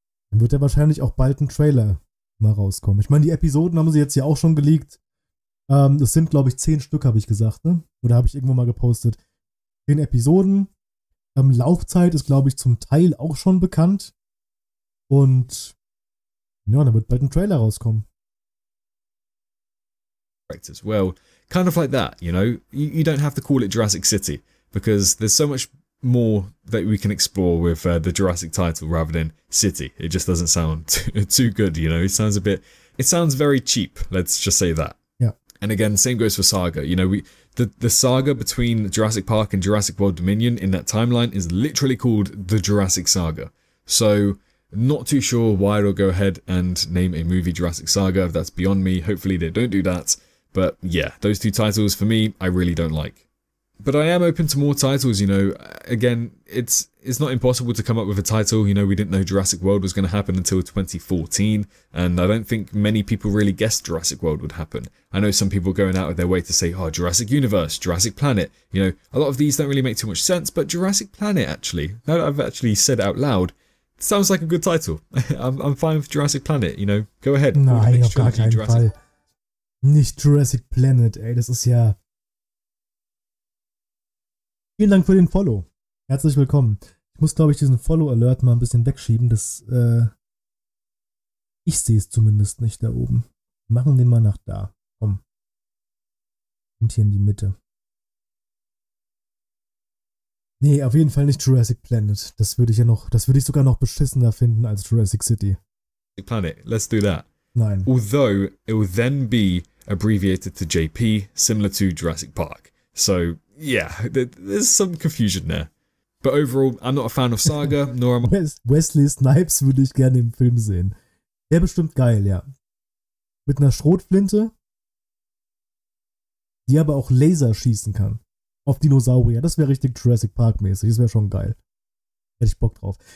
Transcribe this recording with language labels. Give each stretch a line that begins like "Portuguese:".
German: Dann wird ja wahrscheinlich auch bald ein Trailer mal rauskommen. Ich meine, die Episoden haben sie jetzt ja auch schon geleakt. Das sind, glaube ich, 10 Stück, habe ich gesagt, ne? Oder habe ich irgendwo mal gepostet. 10 Episoden. Laufzeit ist, glaube ich, zum Teil auch schon bekannt. Und ja, dann wird bald ein Trailer rauskommen.
English: Well, kind of like that, you know? You don't have to call it Jurassic City, because there's so much more that we can explore with the Jurassic title rather than City. It just doesn't sound too good, you know? It sounds very cheap, let's just say that. And again, same goes for Saga. You know, the saga between Jurassic Park and Jurassic World Dominion in that timeline is literally called the Jurassic Saga. So, not too sure why it'll go ahead and name a movie Jurassic Saga. That's beyond me. Hopefully they don't do that. But yeah, those two titles, for me, I really don't like. But I am open to more titles, you know. Again, it's not impossible to come up with a title. You know, we didn't know Jurassic World was going to happen until 2014, and I don't think many people really guessed Jurassic World would happen. I know some people going out of their way to say, oh, Jurassic Universe, Jurassic Planet. You know, a lot of these don't really make too much sense, but Jurassic Planet, actually, now that I've actually said it out loud, sounds like a good title. I'm fine with Jurassic Planet, you know. Go ahead.
German: Nein, auf gar keinen Fall. Nicht Jurassic Planet, ey, das ist ja... Vielen Dank für den Follow. Herzlich willkommen. Ich muss, glaube ich, diesen Follow-Alert mal ein bisschen wegschieben. Ich sehe es zumindest nicht da oben. Wir machen den mal nach da. Komm. Und hier in die Mitte. Nee, auf jeden Fall nicht Jurassic Planet. Das würde ich sogar noch beschissener finden als Jurassic City.
English: Planet, let's do that.
German: Nein.
English: Although it will then be abbreviated to JP, similar to Jurassic Park. So... Yeah, there's some confusion there. But overall, I'm not a fan of Saga, nor am I...
German: Wesley Snipes würde ich gerne im Film sehen. Wäre bestimmt geil, ja. Mit einer Schrotflinte, die aber auch Laser schießen kann. Auf Dinosaurier. Das wäre richtig Jurassic Park-mäßig. Das wäre schon geil. Hätte ich Bock drauf.